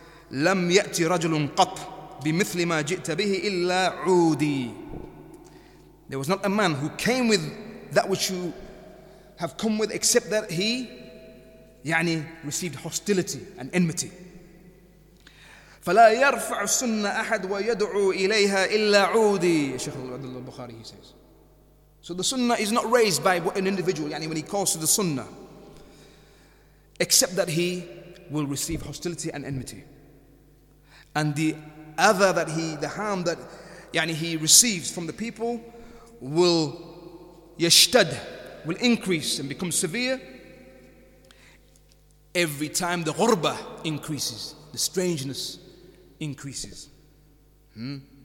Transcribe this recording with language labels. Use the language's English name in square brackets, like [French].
[Arabic] لم يأتي رجل قط بمثل ما جئت به إلا عودي. [English] There was not a man who came with that which you have come with, except that he, يعني, received hostility and enmity. [Arabic] فلا يرفع السنة أحد ويدعو إليها إلا عودي. [English] Sheikh Abdullah al-Bukhari, he says. So the sunnah is not raised by an individual, يعني, when he calls to the sunnah, except that he will receive hostility and enmity. And the other that he, the harm that, يعني, he receives from the people, will yashtad, will increase and become severe every time the ghurba increases, the strangeness increases. Naam.